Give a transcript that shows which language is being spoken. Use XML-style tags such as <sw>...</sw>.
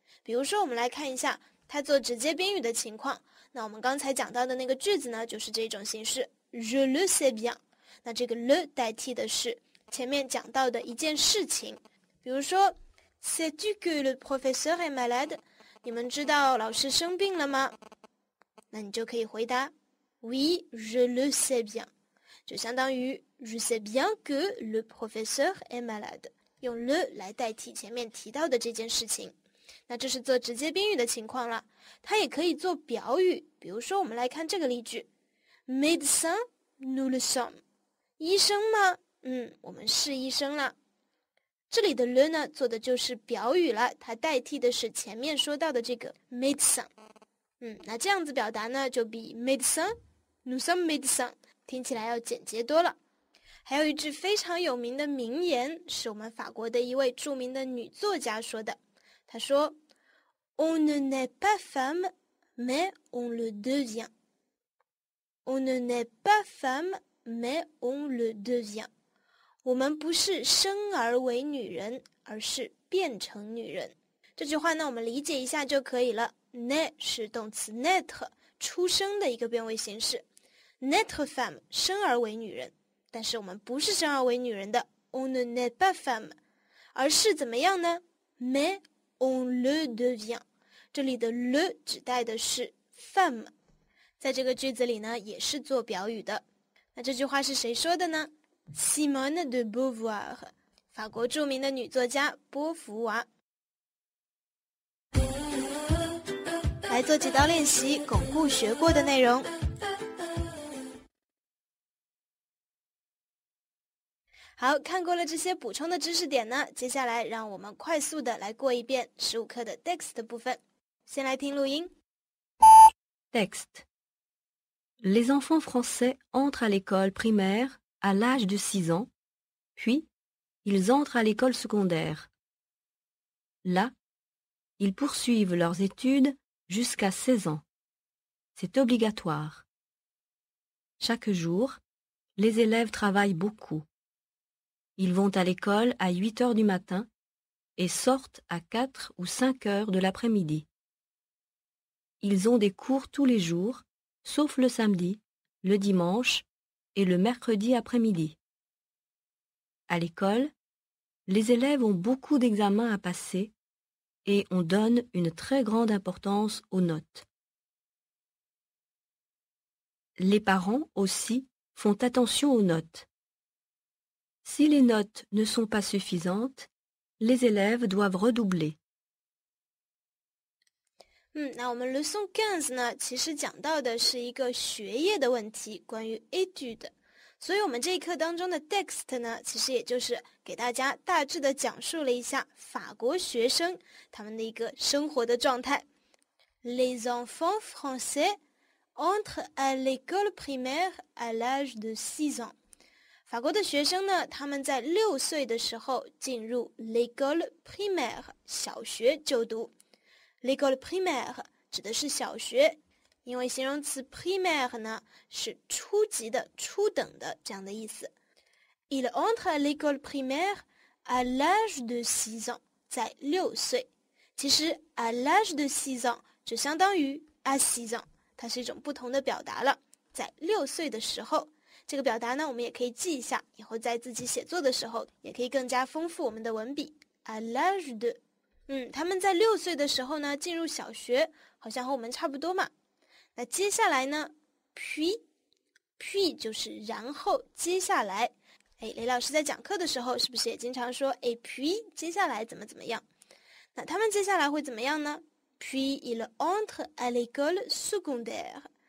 <zh>比如说我们来看一下它做直接宾语的情况，那我们刚才讲到的那个句子呢就是这种形式</zh> <fr>Je le sais bien，</fr> <zh>那这个 le 代替的是前面讲到的一件事情，比如说</zh> <fr>Sais-tu que le professeur est malade？</fr> <zh>你们知道老师生病了吗？那你就可以回答</zh> <fr>Oui, je le sais bien，</fr> <zh>就相当于</zh> <fr>Je sais bien que le professeur est malade，</fr> <zh>用 le 来代替前面提到的这件事情。那这是做直接宾语的情况了，它也可以做表语。比如说我们来看这个例句</zh> <fr>Médecin, nous le sommes，</fr> <zh>医生吗？嗯，我们是医生了。这里的 le 呢做的就是表语了，它代替的是前面说到的这个 Médecin。嗯，那这样子表达呢就比</zh> <fr>Médecin, nous sommes médecin</fr> <zh>听起来要简洁多了。还有一句非常有名的名言是我们法国的一位著名的女作家说的，他说</zh> <fr>On ne naît pas femme, mais on le devient. On ne naît pas femme, mais on le devient.</fr> <zh>我们不是生而为女人，而是变成女人。这句话呢，我们理解一下就可以了。naît 是动词 naître 出生的一个变位形式。</zh> <fr>naître femme</fr> <zh>生而为女人，但是我们不是生而为女人的。</zh> <fr>On ne naît pas femme，</fr> <zh>而是怎么样呢？</zh> <fr>maisOn le devient，</fr> <zh>这里的 le 指代的是 femme， 在这个句子里呢也是做表语的。那这句话是谁说的呢？ Simone de Beauvoir， 法国著名的女作家波伏娃。来做几道练习巩固学过的内容。好，看过了这些补充的知识点呢，接下来让我们快速的来过一遍15课的 text 部分。先来听录音。</zh> <en>Text.</en> <fr>Les enfants français entrent à l'école primaire à l'âge de 6 ans, puis ils entrent à l'école secondaire. Là, ils poursuivent leurs études jusqu'à 16 ans. C'est obligatoire. Chaque jour, les élèves travaillent beaucoup. Ils vont à l'école à 8 heures du matin et sortent à 4 ou 5 heures de l'après-midi. Ils ont des cours tous les jours, sauf le samedi, le dimanche et le mercredi après-midi. À l'école, les élèves ont beaucoup d'examens à passer et on donne une très grande importance aux notes. Les parents aussi font attention aux notes. Si les notes ne sont pas suffisantes, les élèves doivent redoubler.</fr> <zh>那我们 leçon 15呢，其实讲到的是一个学业的问题，关于 étude。所以我们这一课当中的 text 呢，其实也就是给大家大致的讲述了一下法国学生他们的一个生活的状态。</zh> <fr>Les enfants français entrent à l'école primaire à l'âge de 6 ans.</fr> <zh>法国的学生呢，他们在六岁的时候进入 l'école primaire 小学就读。 l'école primaire 指的是小学，因为形容词 primaire 呢是初级的、初等的这样的意思。</zh> <fr>il entre à l'école primaire à l'âge de 6 ans，</fr> <zh>在六岁。其实</zh> <fr>à l'âge de 6 ans</fr> <zh>就相当于</zh> <fr>à 6 ans，</fr> <zh>它是一种不同的表达了，在六岁的时候。这个表达呢我们也可以记一下，以后在自己写作的时候也可以更加丰富我们的文笔。</zh> <fr>À l'âge de，</fr> <zh>他们在六岁的时候呢进入小学，好像和我们差不多嘛。那接下来呢 puis 就是然后接下来，哎，雷老师在讲课的时候是不是也经常说</zh> <fr>et puis</fr> <zh>接下来怎么怎么样？那他们接下来会怎么样呢？</zh> <fr>Puis il entre à l'école secondaire.</fr>